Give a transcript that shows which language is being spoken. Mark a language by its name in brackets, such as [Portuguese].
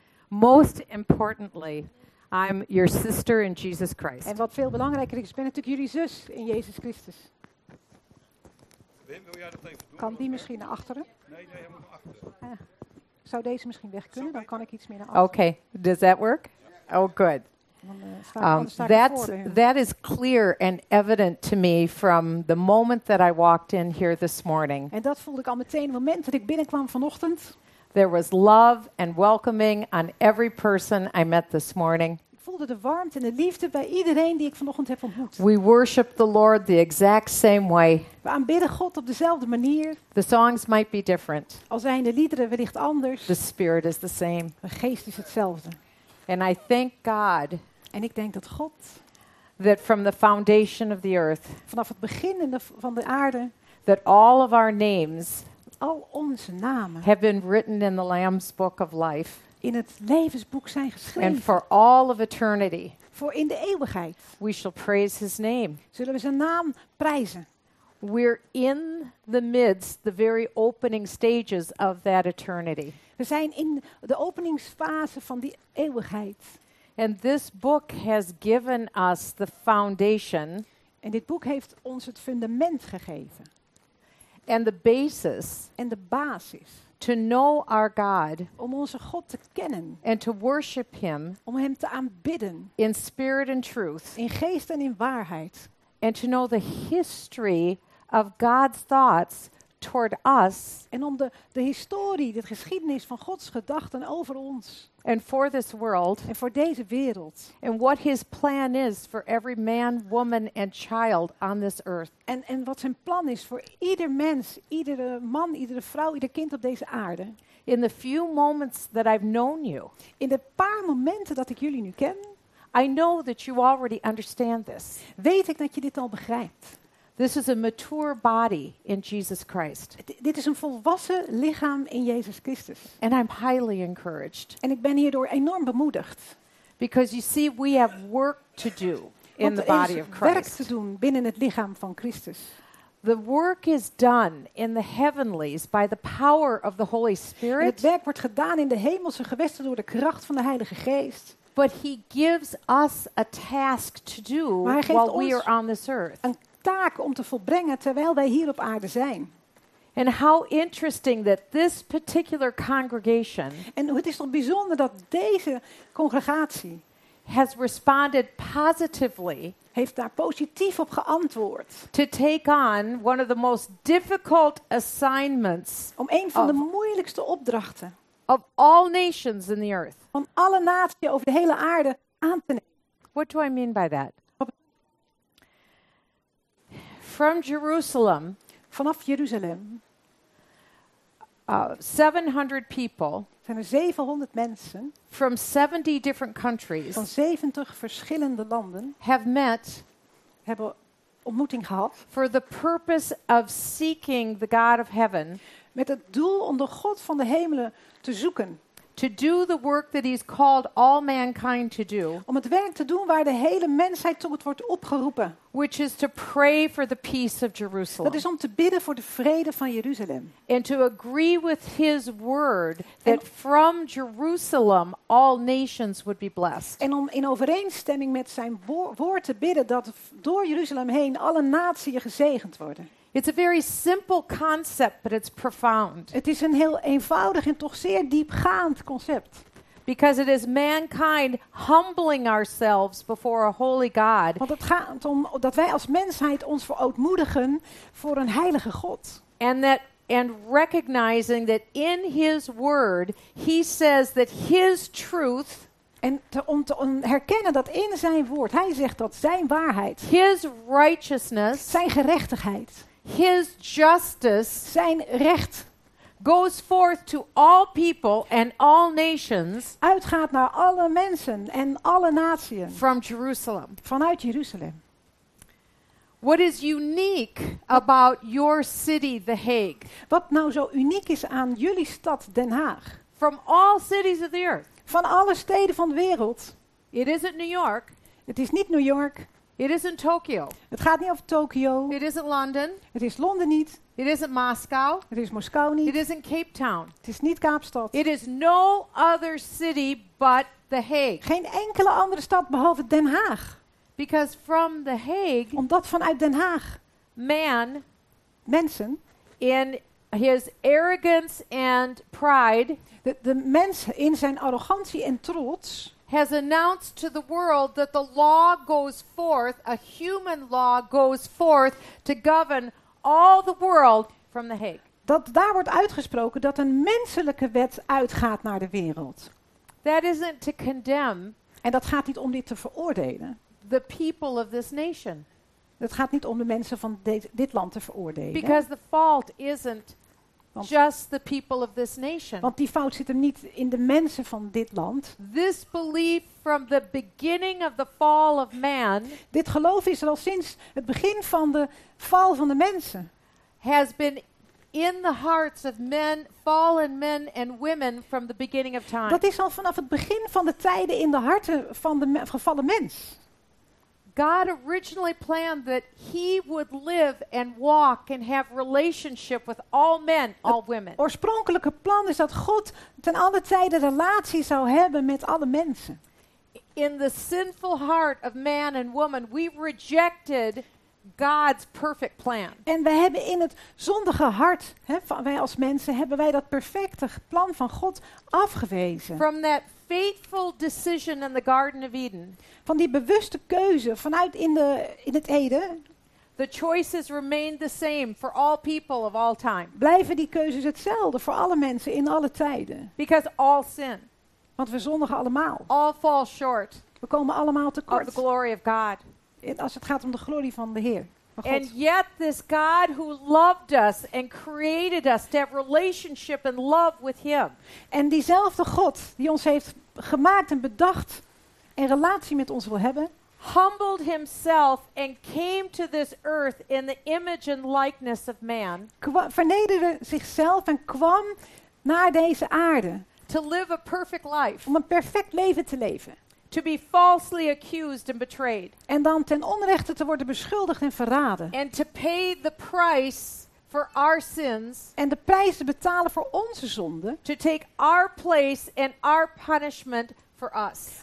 [English] Most importantly, I'm your sister in Jesus Christ. [Dutch] En wat veel belangrijker is, ik ben natuurlijk jullie zus in Jezus Christus. Wim, wil jij dat even doen? Kan die misschien naar achteren? Nee, helemaal naar achteren. Zou deze misschien weg kunnen? Dan kan ik iets meer naar achteren. [English] Oké, does that work? Yeah. Oh, good. That is clear and evident to me from the moment that I walked in here this morning. [Dutch] En dat voelde ik al meteen het moment dat ik binnenkwam vanochtend. [English] There was love and welcoming on every person I met this morning. [Dutch] Ik voelde de warmte en de liefde bij iedereen die ik vanochtend heb ontmoet. [English] We worship the Lord the exact same way. [Dutch] We aanbidden God op dezelfde manier. [English] The songs might be different. [Dutch] Al zijn de liederen wellicht anders. [English] The spirit is the same. [Dutch] De geest is hetzelfde. [English] And I thank God. [Dutch] En ik denk dat God, [English] that from the foundation of the earth, [Dutch] vanaf het begin van de aarde, [English] that all of our names, [Dutch] al onze namen, [English] have been written in the Lamb's book of life, [Dutch] in het levensboek zijn geschreven, [English] and for all of eternity, [Dutch] voor in de eeuwigheid, [English] we shall praise His name. [Dutch] Zullen we zijn naam prijzen? [English] We're in the midst, the very opening stages of that eternity. [Dutch] We zijn in de openingsfase van die eeuwigheid. [English] And this book has given us the foundation. [Dutch] En dit boek heeft ons het fundament gegeven. [English] And the basis. [Dutch] En de basis. [English] To know our God. [Dutch] Om onze God te kennen. [English] And to worship Him. [Dutch] Om Hem te aanbidden. [English] In spirit and truth. [Dutch] In geest en in waarheid. [English] And to know the history of God's thoughts toward us. [Dutch] En om de historie, de geschiedenis van Gods gedachten over ons. [English] And for this world. [Dutch] En voor deze wereld. [English] And what His plan is for every man, woman and child on this earth. [Dutch] En wat zijn plan is voor ieder mens, iedere man, iedere vrouw, ieder kind op deze aarde. [English] In the few moments that I've known you. [Dutch] In de paar momenten dat ik jullie nu ken. [English] I know that you already understand this. [Dutch] Weet ik dat je dit al begrijpt. [English] This is a mature body in Jesus Christ. [Dutch] Dit is een volwassen lichaam in Jezus Christus. [English] And I'm highly encouraged. [Dutch] En ik ben hierdoor enorm bemoedigd. [English] Because you see, we have work to do in the body of Christ. [Dutch] Want er is werk te doen binnen het lichaam van Christus. [English] The work is done in the heavenlies by the power of the Holy Spirit. [Dutch] Het werk wordt gedaan in de hemelse gewesten door de kracht van de Heilige Geest. [English] But He gives us a task to do while we are on this earth. [Dutch] Een taak om te volbrengen terwijl wij hier op aarde zijn. [English] And how interesting that this particular congregation. [Dutch] En het is toch bijzonder dat deze congregatie [English] has responded positively. [Dutch] heeft daar positief op geantwoord. [English] To take on one of the most difficult assignments. [Dutch] Om een van de moeilijkste opdrachten. [English] Of all nations in the earth. [Dutch] Om alle naties over de hele aarde aan te nemen. [English] What do I mean by that? From Jerusalem. [Dutch] Vanaf Jeruzalem. [English] 700 people. [Dutch] Zijn er 700 mensen. [English] From 70 different countries. [Dutch] Van 70 verschillende landen. [English] Have met. [Dutch] Hebben ontmoeting gehad. [English] For the purpose of seeking the God of heaven. [Dutch] Met het doel om de God van de hemelen te zoeken. [English] To do the work that he's called all mankind to do. [Dutch] Om het werk te doen waar de hele mensheid tot het wordt opgeroepen. [English] Which is to pray for the peace of Jerusalem. [Dutch] Dat is om te bidden voor de vrede van Jeruzalem. [English] And to agree with his word that from Jerusalem all nations would be blessed. [Dutch] En om in overeenstemming met zijn woord te bidden dat door Jeruzalem heen alle naties gezegend worden. [English] It's a very simple concept, but it's profound. [Dutch] Het is een heel eenvoudig en toch zeer diepgaand concept. [English] Because it is mankind humbling ourselves before a holy God. [Dutch] Want het gaat om dat wij als mensheid ons verootmoedigen voor een heilige God. [English] And recognizing that in his word he says that his truth. [Dutch] En om te herkennen dat in zijn woord hij zegt dat zijn waarheid. [English] His righteousness. [Dutch] Zijn gerechtigheid. [English] His justice, [Dutch] zijn recht, [English] goes forth to all people and all nations, [Dutch] uitgaat naar alle mensen en alle naties, [English] from Jerusalem, [Dutch] vanuit Jeruzalem. [English] What is unique about your city, The Hague? [Dutch] Wat nou zo uniek is aan jullie stad Den Haag? [English] From all cities of the earth, [Dutch] van alle steden van de wereld. [English] It isn't New York. [Dutch] Het is niet New York. [English] It isn't Tokyo. [Dutch] Het gaat niet over Tokio. [English] It isn't London. [Dutch] Het is Londen niet. [English] It isn't Moscow. [Dutch] Het is Moskou niet. [English] It isn't Cape Town. [Dutch] Het is niet Kaapstad. [English] It is no other city but The Hague. [Dutch] Geen enkele andere stad behalve Den Haag. [English] Because from The Hague. [Dutch] Omdat vanuit Den Haag. [English] Man. [Dutch] Mensen. [English] In his arrogance and pride. [Dutch] De mens in zijn arrogantie en trots. [English] Has announced to the world that the law goes forth, a human law goes forth to govern all the world from The Hague. [Dutch] Dat daar wordt uitgesproken dat een menselijke wet uitgaat naar de wereld. [English] That isn't to condemn. [Dutch] En dat gaat niet om dit te veroordelen. [English] The people of this nation. [Dutch] Het gaat niet om de mensen van dit land te veroordelen. [English] Because the fault isn't just the people of this nation. [Dutch] Want die fout zit hem niet in de mensen van dit land. [English] This belief from the beginning of the fall of man. [Dutch] Dit geloof is er al sinds het begin van de val van de mensen. [English] Has been in the hearts of men, fallen men and women from the beginning of time. [Dutch] Dat is al vanaf het begin van de tijden in de harten van de gevallen mens. [English] God originally planned that he would live and walk and have relationship with all men, all women. [Dutch] Het oorspronkelijke plan is dat God ten alle tijde relatie zou hebben met alle mensen. [English] In the sinful heart of man and woman, we rejected God's perfect plan. [Dutch] En we hebben in het zondige hart, wij als mensen, hebben wij dat perfecte plan van God afgewezen. [English] From that faithful decision in the Garden of Eden. [Dutch] Van die bewuste keuze vanuit in het Eden. [English] The choices remain the same for all people of all time. [Dutch] Blijven die keuzes hetzelfde voor alle mensen in alle tijden. [English] Because all sin. [Dutch] Want we zondigen allemaal. [English] All fall short. [Dutch] We komen allemaal tekort. [English] Of the glory of God. [Dutch] Als het gaat om de glorie van de Heer. [English] And yet this God who loved us and created us to have relationship and love with him. [Dutch] En diezelfde God die ons heeft gemaakt en bedacht en relatie met ons wil hebben. [English] Humbled himself and came to this earth in the image and likeness of man. [Dutch] Vernederde zichzelf en kwam naar deze aarde. [English] To live a perfect life. [Dutch] Om een perfect leven te leven. [English] To be falsely accused and betrayed. [Dutch] En dan ten onrechte te worden beschuldigd en verraden. [English] And to pay the price for our sins. [Dutch] En de prijs te betalen voor onze zonden. [English] To take our place and our punishment for us.